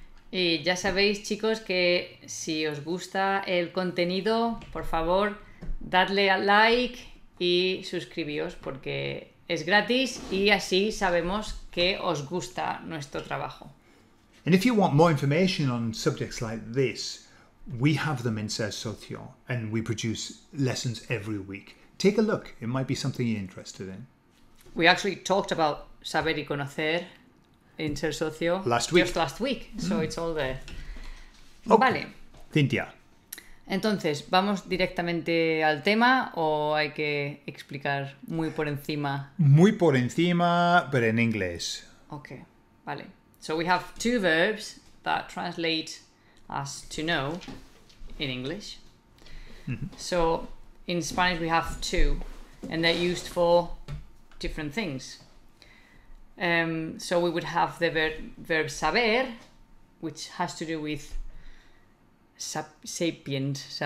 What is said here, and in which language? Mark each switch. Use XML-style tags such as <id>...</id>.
<es>Y ya sabéis, chicos, que si os gusta el contenido, por favor, dadle al like y suscribíos porque es gratis y así sabemos que os gusta nuestro trabajo.</es> <en>And if you want more information on subjects like this, we have them in Ser Socio and we produce lessons every week. Take a look. It might be something you're interested in. We actually talked about saber y conocer in Ser Socio. Last week. Just last week. So it's all there. Okay.</en> <es>Vale. Cynthia. Entonces, ¿vamos directamente al tema o hay que explicar muy por encima? Muy por encima, pero en inglés. Okay, vale.</es> <en>So we have two verbs that translate as to know in English. Mm-hmm. So in Spanish we have two and they're used for different things. So we would have the verb saber, which has to do with sapient</en>